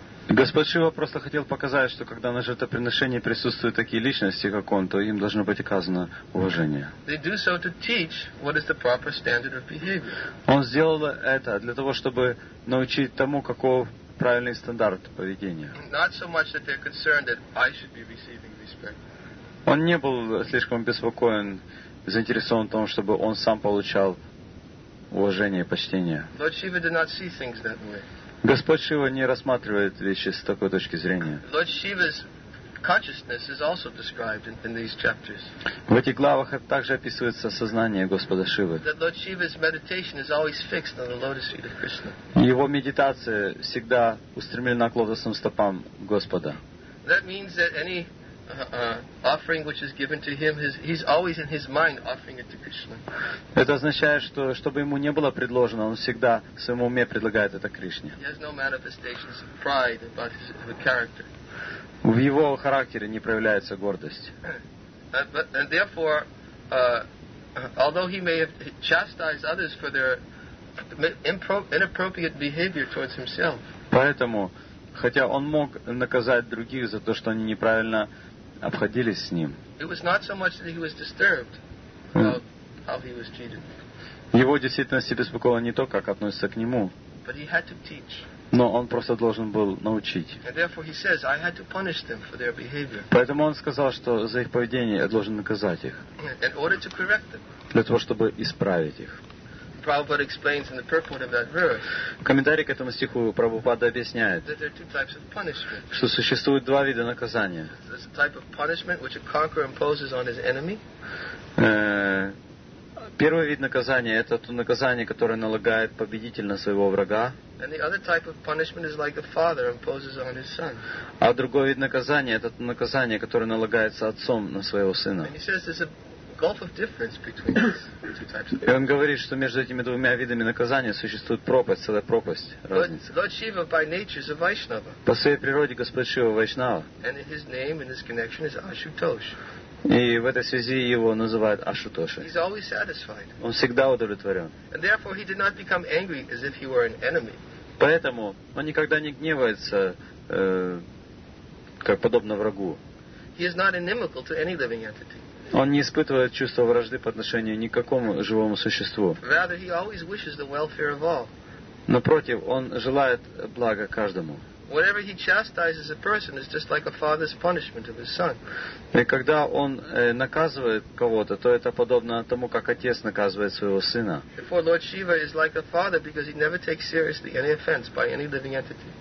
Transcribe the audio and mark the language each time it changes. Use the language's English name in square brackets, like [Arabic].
[Russian] Господь Шива просто хотел показать, что когда на жертвоприношении присутствуют такие личности, как он, то им должно быть оказано уважение. [English] They do so to teach what is the proper standard of behavior. [Russian] Он сделал это для того, чтобы научить тому, каков правильный стандарт поведения. [English] Not so much that they're concerned that I should be receiving respect. [Russian] Он не был слишком беспокоен, заинтересован в том, чтобы он сам получал уважение и почтение. [English] Lord Shiva did not see things that way. [Russian] Господь Шива не рассматривает вещи с такой точки зрения. [English] Lord Shiva's consciousness is also described in these chapters. [Russian] В этих главах также описывается сознание Господа Шивы. [English] That Lord Shiva's meditation is always fixed on the lotus feet of Krishna. [Russian] Его медитация всегда устремлена к лотосным стопам Господа. [English] That means that any offering which is given to him, he's always in his mind offering it to Krishna. [Russian] Это означает, что чтобы ему не было предложено, он всегда в своем уме предлагает это Кришне. [English] He has no manifestations of pride about his character. [Russian] В его характере не проявляется гордость. [English] And therefore, although he may have chastised others for their inappropriate behavior towards himself. [Russian] Поэтому, хотя он мог наказать других за то, что они неправильно обходились с ним. [English] It was not so much that he was disturbed about how he was treated. [Russian] Его действительно беспокоило не то, как относятся к нему. [English] But he had to teach. [Russian] Но он просто должен был научить. [English] And therefore he says, I had to punish them for their behavior. [Russian] Поэтому он сказал, что за их поведение я должен наказать их. [English] In order to correct them. [Russian] Для того, чтобы исправить их. [English] Prabhupada explains in the purport of that verse. [Russian] Комментарий к этому стиху Прабхупада объясняет, что существует два вида наказания. [English] There's a type of punishment which a conqueror imposes on his enemy. [Russian] Первый вид наказания — это то наказание, которое налагает победитель на своего врага. [English] And the other type of punishment is like a father imposes on his son. [Russian] А другой вид наказания — это то наказание, которое налагается отцом на своего сына. [English] And he says there's a [Russian] И он говорит, что между этими двумя видами наказания существует пропасть, целая пропасть, разница. [English] Lord Shiva by nature is a Vaishnava. [Russian] По своей природе Господь Шива Вайшнава. [English] And his name in this connection is Ashutosh. [Russian] И в этой связи его называют Ашутоша. [English] He's always satisfied. [Russian] Он всегда удовлетворен. [English] And therefore he did not become angry as if he were an enemy. [Russian] Поэтому он никогда не гневается, как подобно врагу. [English] He is not inimical to any living entity. [Russian] Он не испытывает чувства вражды по отношению ни к какому живому существу. [English] Rather, he always wishes the welfare of all. [Russian] Напротив, он желает блага каждому. [English] Whatever he chastises a person is just like a father's punishment of his son. [Russian] И когда он наказывает кого-то, то это подобно тому, как отец наказывает своего сына. [English] Therefore, Lord Shiva is like a father because he never takes seriously any offense by any living entity.